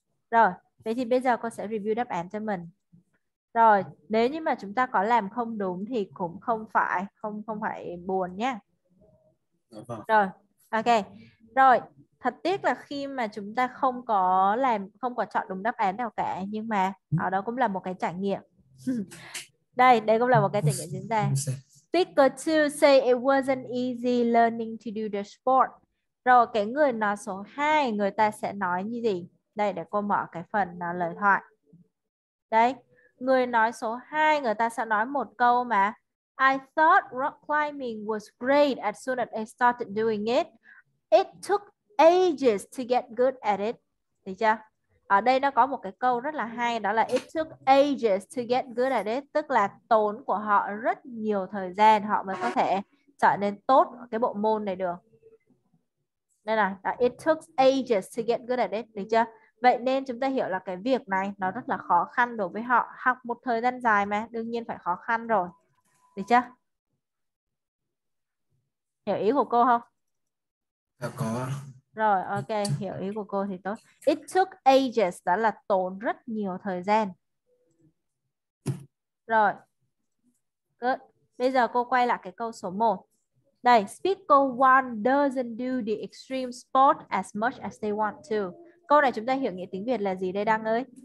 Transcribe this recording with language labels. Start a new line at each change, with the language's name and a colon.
Vietnamese: Rồi, vậy thì bây giờ cô sẽ review đáp án cho mình. Rồi, nếu như mà chúng ta có làm không đúng thì cũng không phải buồn nhé. Rồi, ok. Rồi, thật tiếc là khi mà chúng ta không có chọn đúng đáp án nào cả, nhưng mà ở đó cũng là một cái trải nghiệm. đây cũng là một cái trải nghiệm chúng ta.
English: Speaker 2 say it wasn't easy learning to do the sport.
Vietnamese: Rồi cái người nói số 2, người ta sẽ nói như gì? Đây, để cô mở cái phần lời thoại. Đấy, người nói số 2, người ta sẽ nói một câu mà
English: I thought rock climbing was great as soon as I started doing it. It took ages to get good at it.
Vietnamese: Thấy chưa? Ở đây nó có một cái câu rất là hay, đó là
English: it took ages to get good at it.
Vietnamese: Tức là tốn của họ rất nhiều thời gian họ mới có thể trở nên tốt cái bộ môn này được. Nên là
English: it took ages to get good at it,
Vietnamese: được chưa? Vậy nên chúng ta hiểu là cái việc này nó rất là khó khăn đối với họ, học một thời gian dài mà đương nhiên phải khó khăn rồi, được chưa? Hiểu ý của cô không? Có. Rồi, ok, hiểu ý của cô thì tốt.
English: It took ages
Vietnamese: đó là tốn rất nhiều thời gian. Rồi, good. Bây giờ cô quay lại cái câu số 1.
English: Đây, speaker 1 doesn't do the extreme sport as much as they want to.
Vietnamese: Câu này chúng ta hiểu nghĩa tiếng Việt là gì đây Đăng ơi?